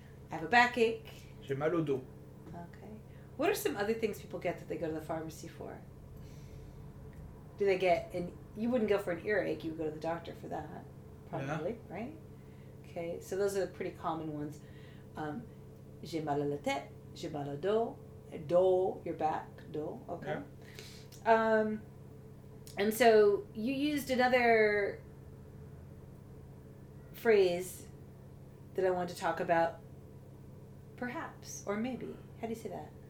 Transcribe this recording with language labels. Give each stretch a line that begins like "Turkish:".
English: I have a backache.
French: J'ai mal au dos.
English: Okay. What are some other things people get that they go to the pharmacy for? Do they get, and you wouldn't go for an earache, you would go to the doctor for that, probably, yeah. Right? Okay, so those are the pretty common ones.
French: J'ai mal à la tête, j'ai mal au dos.
English: Dole, your back, dole, okay. Yeah. And so you used another phrase that I wanted to talk about, perhaps, or maybe. How do you say that?